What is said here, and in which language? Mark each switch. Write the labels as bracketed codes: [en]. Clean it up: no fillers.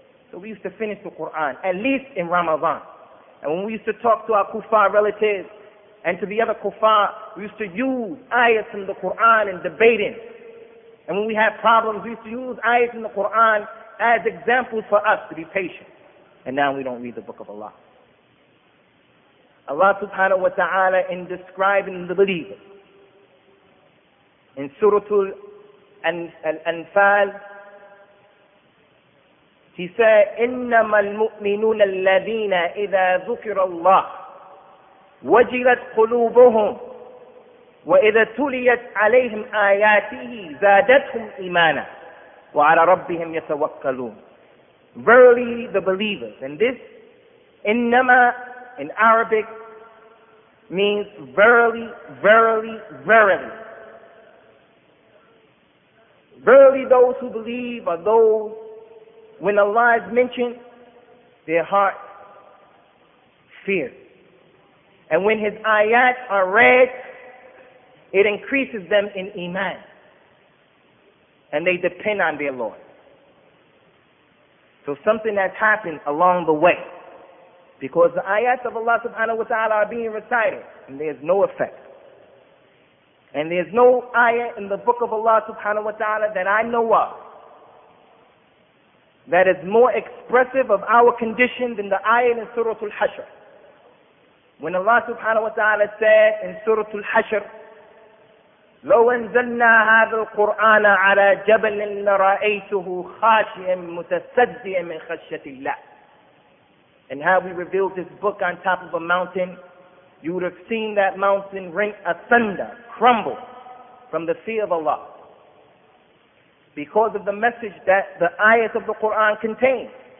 [en] So we used to finish the Quran, at least in Ramadan. And when we used to talk to our kuffar relatives and to the other kuffar, we used to use ayahs from the Quran in debating. And when we had problems, we used to use ayahs in the Quran as examples for us to be patient. And now we don't read the book of Allah. Allah subhanahu wa ta'ala, in describing the believer, in Surah Al-Anfal, he said, [ar] إِنَّمَا الْمُؤْمِنُونَ الَّذِينَ إِذَا ذُكِرَ اللَّهِ وَجِلَتْ قُلُوبُهُمْ وَإِذَا تُلِيَتْ عَلَيْهِمْ آيَاتِهِ زَادَتْهُمْ إِمَانًا وَعَلَى رَبِّهِمْ يَتَوَكَّلُونَ. [en] Verily the believers, and this إِنَّمَا in Arabic means verily, verily, verily. Verily those who believe are those, when Allah is mentioned, their heart fears. And when His ayat are read, it increases them in iman. And they depend on their Lord. So something has happened along the way. Because the ayats of Allah subhanahu wa ta'ala are being recited. And there's no effect. And there's no ayah in the book of Allah subhanahu wa ta'ala that I know of that is more expressive of our condition than the ayah in Surah Al-Hashr. When Allah subhanahu wa ta'ala said in Surah Al-Hashr, [ar] لو انزلنا هذا القرآن على جبل لرأيته خاشعا متصدعا من خشية الله. [en] And how we revealed this book on top of a mountain, you would have seen that mountain ring asunder, crumble from the fear of Allah. Because of the message that the ayat of the Quran contains.